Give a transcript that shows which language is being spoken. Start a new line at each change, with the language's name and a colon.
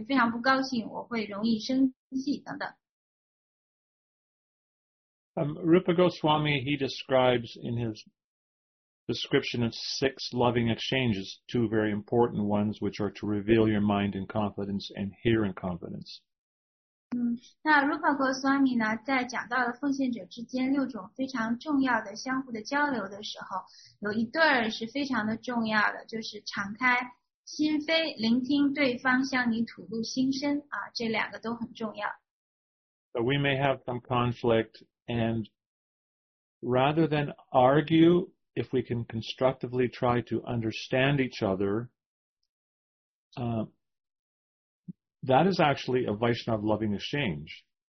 Chinese: 就是说两个人在一起说，比如说我要讲我的感受的时候，不要马上就批评对方，说你这样，你那样，这个肯定就糟了。你要说你自己，就比如说呢，当这样子的情况的时候呢，我通常就会，就是情绪就会非常的不好，或者说我会非常不高兴，我会容易生气等等。
English: Rupa Goswami, he describes in his description of six loving exchanges, two very important ones, which are to reveal your mind in confidence and hear in confidence.
Chinese: 那Rupa Goswami呢, 在讲到了奉献者之间六种非常重要的相互的交流的时候, 有一对是非常的重要的, 就是敞开心扉, 聆听对方向你吐露心声, 这两个都很重要。
English: So we may have some conflict, and rather than argue, if we can constructively try to understand each other, that is actually a Vaishnava loving exchange.